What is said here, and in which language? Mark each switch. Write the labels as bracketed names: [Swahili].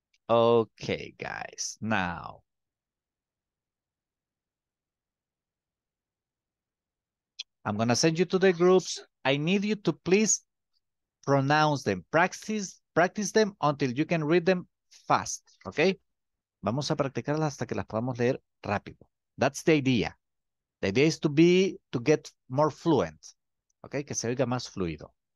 [English] Okay, guys, now. I'm gonna send you to the groups. I need you to please pronounce them, practice them until you can read them fast, okay? [Spanish] Vamos a practicarlas hasta que las podamos leer rápido. [English] That's the idea. The idea is to get more fluent, okay? [Spanish] Que se oiga más fluido.